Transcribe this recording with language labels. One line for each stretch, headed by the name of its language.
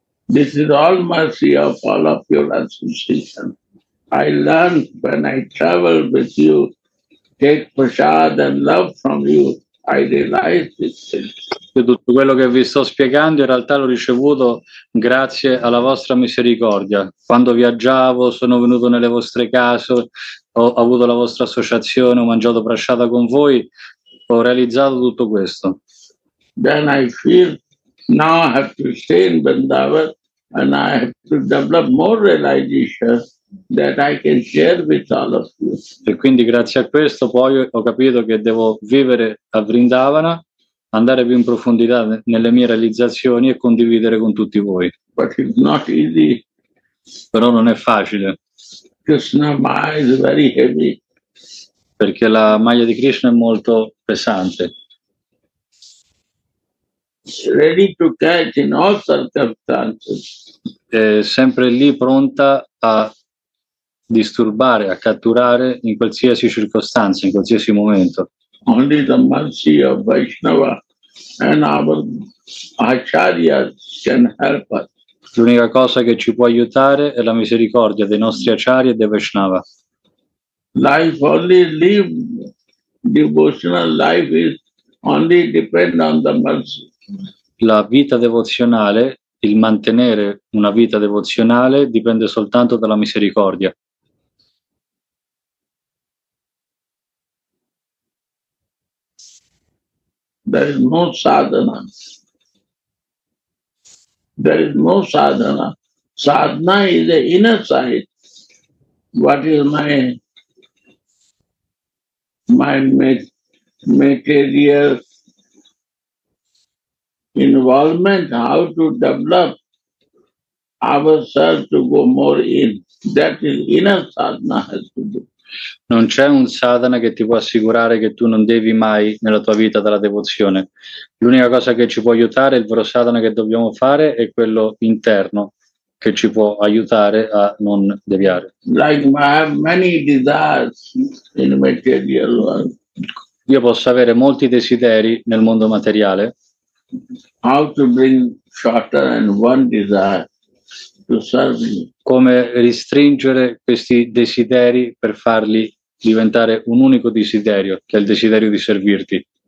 English: This is all mercy of all of your association. I learned when I travel with you, take prasad and love from you. I realize this thing.
Italian: Tutto quello che vi sto spiegando in realtà l'ho ricevuto grazie alla vostra misericordia. Quando viaggiavo, sono venuto nelle vostre case, ho avuto la vostra associazione, ho mangiato prasciata con voi, ho realizzato tutto questo.
English: Then I feel now I have to stay in Vrindavan. And I have to develop more realization that I can share with all of you.
Italian: E quindi grazie a questo poi ho capito che devo vivere a Vrindavana, andare più in profondità nelle mie realizzazioni e condividere con tutti voi.
English: But it's not easy.
Italian: Però non è facile.
English: Krishna Maya is very heavy.
Italian: Perché la maglia di Krishna è molto pesante.
English: Ready to catch in all circumstances.
Italian: È sempre lì pronta a disturbare, a catturare in qualsiasi circostanza, in qualsiasi momento.
English: Only the mercy of Vaishnava and our acharyas can help us.
Italian: L'unica cosa che ci può aiutare è la misericordia dei nostri acharya e dei Vaishnava.
English: Life only live, devotional life is only depend on the mercy.
Italian: La vita devozionale, il mantenere una vita devozionale, dipende soltanto dalla misericordia.
English: There is no sadhana. There is no sadhana. Sadhana is the inner side. What is my material involvement, how to develop ourselves to go more in. That is inner sadhana has to do.
Italian: Non c'è un sadhana che ti può assicurare che tu non devi mai nella tua vita dalla devozione. L'unica cosa che ci può aiutare, il vero sadhana che dobbiamo fare, è quello interno che ci può aiutare a non deviare.
English: Like I have many desires in material world.
Italian: Io posso avere molti desideri nel mondo materiale.
English: How to bring shorter and one desire to serve you.
Italian: Come restringere questi desideri per farli diventare un unico desiderio, che è il desiderio di servirti.